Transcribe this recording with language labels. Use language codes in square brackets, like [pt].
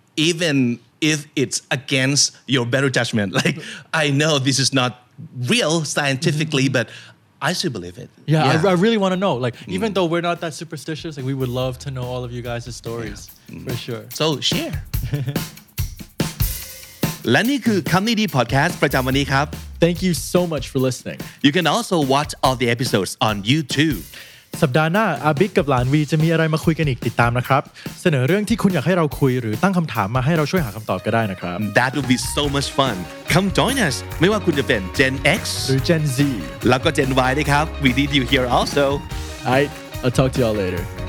[en] Even if it's against your better judgment. Like, I know this is not real scientifically, but I still believe it. Yeah, yeah. I really want to know. Like, even though we're not that superstitious, like, we would love to know all of you guys' stories, for sure. So, share. [th] และนี่คือคำนี้ดีพอดแคสต์ประจำวันนี้ครับ [en] Thank you so much for listening. You can also watch all the episodes on YouTube. [th] สัปดาห์หน้าอาบิ๊กกับหลานวีจะมีอะไรมาคุยกันอีกติดตามนะครับเสนอเรื่องที่คุณอยากให้เราคุยหรือตั้งคำถามมาให้เราช่วยหาคำตอบก็ได้นะครับ [en] That would be so much fun. Come join us. [th] ไม่ว่าคุณจะเป็น [en] Gen X [th] หรือ Gen Z แล้วก็ Gen Y นะครับ [en] We need you here also. Alright, I'll talk to y'all later.